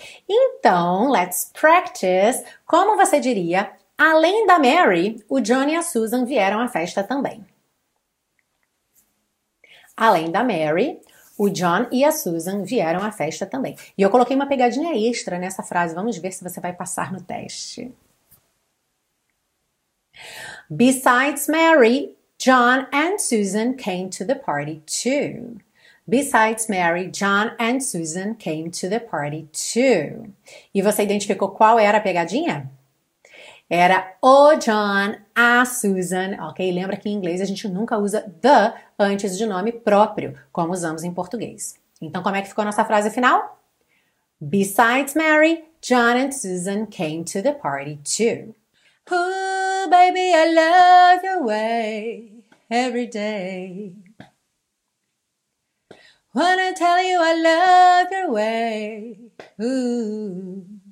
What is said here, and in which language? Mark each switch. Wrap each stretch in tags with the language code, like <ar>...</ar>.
<pt>Então,</pt> <en>let's practice.</en> <pt>Como você diria, além da Mary, o John e a Susan vieram à festa também. Além da Mary, o John e a Susan vieram à festa também. E eu coloquei uma pegadinha extra nessa frase. Vamos ver se você vai passar no teste.</pt> <en>Besides Mary, John and Susan came to the party too. Besides Mary, John and Susan came to the party too.</en> <pt>E você identificou qual era a pegadinha? Era o John, a Susan, ok? Lembra que em inglês a gente nunca usa the antes de nome próprio, como usamos em português. Então, como é que ficou a nossa frase final?</pt> <en>Besides Mary, John and Susan came to the party too. Oh, baby, I love your way every day. Wanna tell you I love your way, ooh.</en>